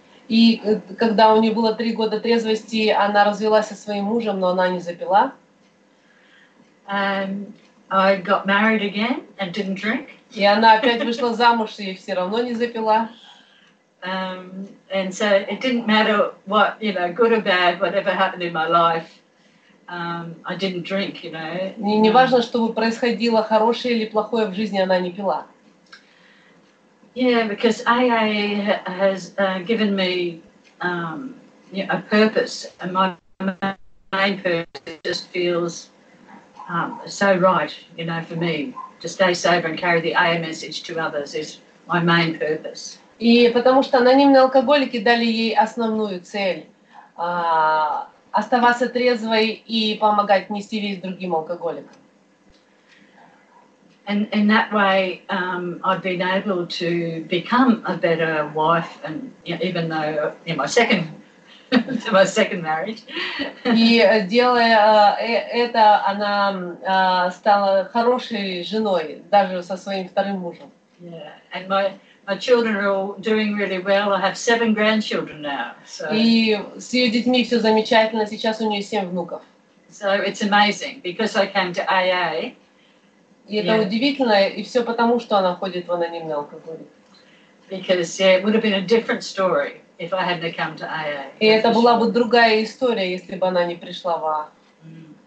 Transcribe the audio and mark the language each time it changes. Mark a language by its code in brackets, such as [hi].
[ru] И когда у нее было 3 года трезвости, она развелась со своим мужем, но она не запила. [en] I got married again and didn't drink. [ru] И она опять вышла замуж и все равно не запила. [en] And so it didn't matter what, you know, good or bad, whatever happened in my life, I didn't drink, you know. [ru] Не важно, что бы происходило, хорошее или плохое в жизни, она не пила. [en] Yeah, because AA has given me a purpose, and my main purpose just feels so right, you know, for me. To stay sober and carry the AA message to others is my main purpose. [ru] И потому что анонимные алкоголики дали ей основную цель оставаться трезвой и помогать нести весть другим алкоголикам. [en] And that way I've been able to become a better wife, and you know, even though in my second [ru] И делая это, она стала хорошей женой, даже со своим вторым мужем. [en] Yeah, and my children are all doing really well. I have 7 grandchildren now. So. [ru] И с ее детьми все замечательно. Сейчас у нее 7 внуков. [en] So it's amazing because I came to AA. [ru] И это yeah. удивительно, и все потому, что она ходит в анонимный алкоголь. [en] Because yeah, it would have been a different story. If I hadn't come to AA, [ru] и это была бы другая история, если бы она не пришла в AA.